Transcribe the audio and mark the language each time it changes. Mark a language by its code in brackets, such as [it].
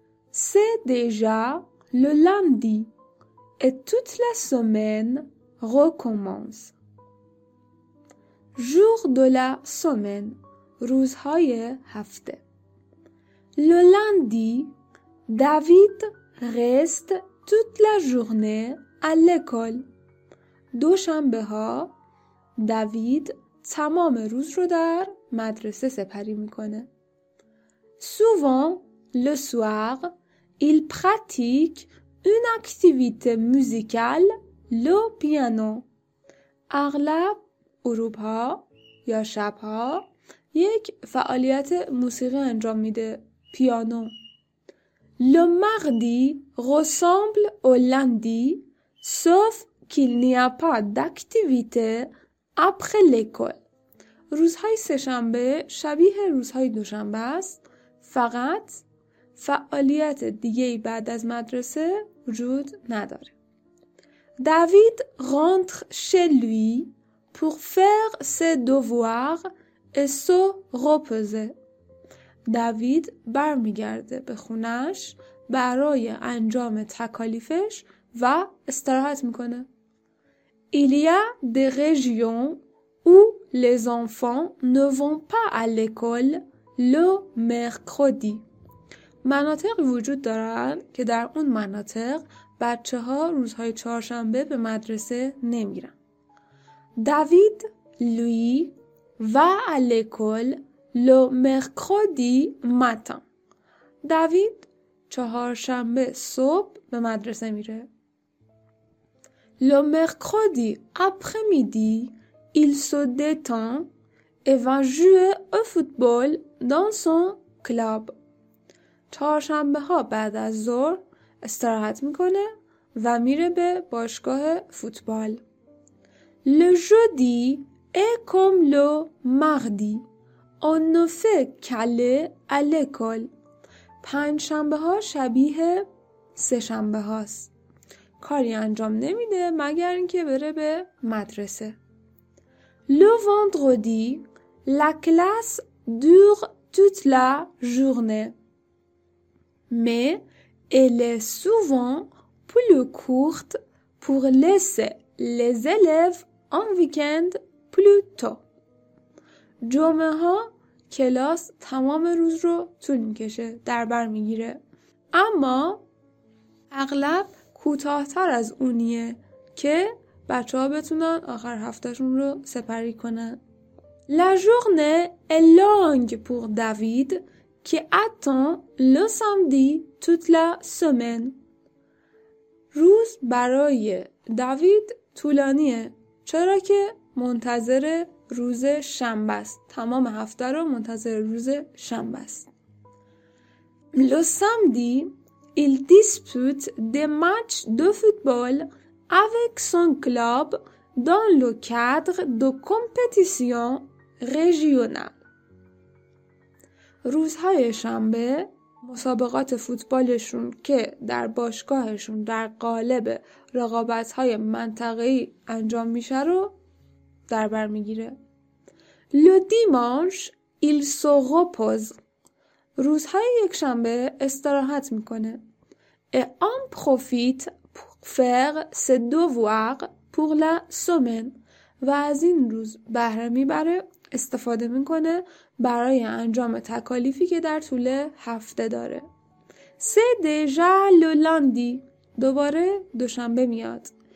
[fr] C'est déjà le lundi et toute la semaine recommence. Jour de la semaine, [fa] روزهای هفته. [fr] Le lundi, David reste toute la journée à l'école. [fa] دوشنبه ها دوید تمام روز رو در مدرسه سپری میکنه. [fr] Souvent, le soir, il pratique une activité musicale, le piano. [fa] اغلب اروپا یا شبها یک فعالیت موسیقی انجام میده، پیانو. [fr] Le mardi ressemble au lundi, sauf qu'il n'y a pas d'activité après l'école. [fa] روزهای سه‌شنبه شبیه روزهای دوشنبه است، فقط فعالیت دیگه بعد از مدرسه وجود نداره. [fr] David rentre chez lui pour faire ses devoirs et se reposer. [fa] David برمیگرده به خونش برای انجام تکالیفش و استراحت میکنه. [fr] Il y a des régions où les enfants ne vont pas à l'école le mercredi. [fa] مناطق وجود دارن که در اون مناطق بچه ها روزهای چهارشنبه به مدرسه نمیرن. [fr] David, lui, va à l'école le mercredi matin. [fa] David, چهارشنبه صبح به مدرسه میره. [fr] Le mercredi après-midi, il se détend et va jouer au football dans son club. [fa] چهارشنبه ها بعد از ظهر استراحت میکنه و میره به باشگاه فوتبال. [fr] Le jeudi est comme le mardi. On ne fait qu'aller à l'école. [fa] پنجشنبه ها شبیه سه‌شنبه هاست. کاری انجام نمیده مگر اینکه بره به مدرسه. [fr] Le vendredi, la classe dure toute la journée. Mais elle est souvent plus courte pour laisser les élèves un week-end plus tôt. [fa] جمعه ها کلاس تمام روز رو طول میکشه، در بر میگیره. اما اغلب کوتاه‌تر از اونیه که بچه ها بتونن آخر هفتهشون رو سپری کنن. [fr] La journée est longue pour David qui attend le samedi toute la semaine. [fa] روز برای داوید طولانیه، چرا که منتظر روز شنبه است. تمام هفته رو منتظر روز شنبه است. [fr] Le samedi, il dispute des matchs de football avec son club dans le cadre de compétition régionale. [fa] روزهای شنبه مسابقات فوتبالشون که در باشگاهشون در قالب رقابت‌های منطقه‌ای انجام میشه رو در بر میگیره. [fr] Le dimanche, il se repose. [fa] روزهای یک شنبه استراحت میکنه. [fr] Et en profite pour faire ses devoirs pour la semaine. [fa] و از این روز بهره میبره، استفاده میکنه برای انجام تکالیفی که در طول هفته داره. [fr] سه دژا لولاندی، [fa] دوباره دوشنبه میاد.